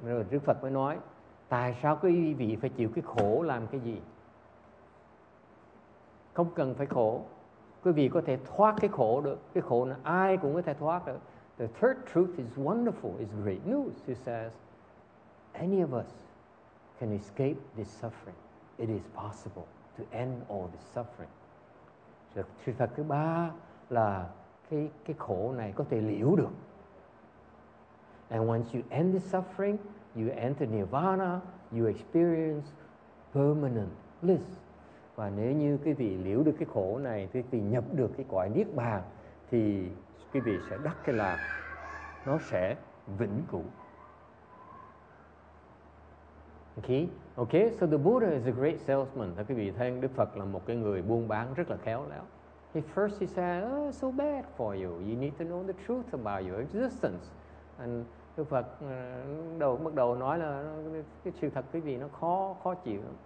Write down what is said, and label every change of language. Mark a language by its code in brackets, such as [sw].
[vi] Đức Phật mới nói, tại sao quý vị phải chịu cái khổ làm cái gì? Không cần phải khổ. Quý vị có thể thoát cái khổ được. Cái khổ này ai cũng có thể thoát được. [en] The third truth is wonderful, it's great news. He says, any of us can escape this suffering. It is possible to end all this suffering. [vi] Sự thật thứ ba là cái khổ này có thể liễu được. [en] And once you end this suffering, you enter nirvana, you experience permanent bliss. [vi] Và nếu như quý vị liễu được cái khổ này, quý vị nhập được cái cõi niết bàn, thì quý vị sẽ đắc cái là nó sẽ vĩnh cửu. [en] Okay, so the Buddha is a great salesman. [vi] Thưa quý vị, thấy Đức Phật là một cái người buôn bán rất là khéo léo. [en] He first he said, oh, so bad for you. You need to know the truth about your existence. [vi] And Đức Phật bắt đầu nói là cái sự thật quý vị nó khó chịu.